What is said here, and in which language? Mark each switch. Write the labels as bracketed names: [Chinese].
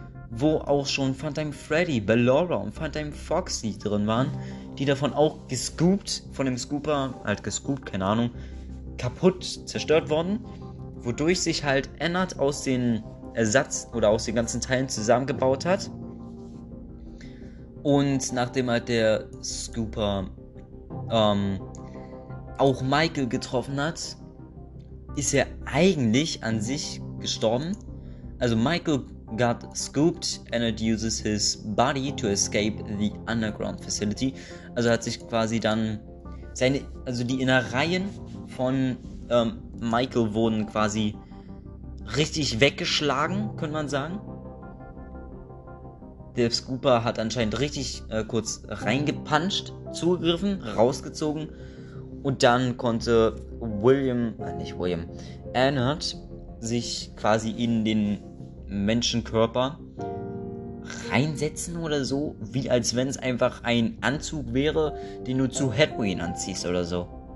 [German] wo auch schon Funtime Freddy, Ballora und Funtime Foxy drin waren, die davon auch gescoopt, von dem Scooper, halt gescoopt, keine Ahnung, kaputt zerstört worden, wodurch sich halt Ennard aus den Ersatz oder aus den ganzen Teilen zusammengebaut hat. Und nachdem halt der Scooper auch Michael getroffen hat, ist er eigentlich an sich gestorben. Also [English] Michael got scooped and it uses his body to escape the underground facility. [German] Also hat sich quasi dann also die Innereien von Michael wurden quasi richtig weggeschlagen, könnte man sagen. Der Scooper hat anscheinend richtig kurz reingepuncht, zugegriffen, rausgezogen und dann konnte nicht William, Ennard sich quasi in den Menschenkörper reinsetzen oder so, wie als wenn es einfach ein Anzug wäre, den du zu Halloween anziehst oder so.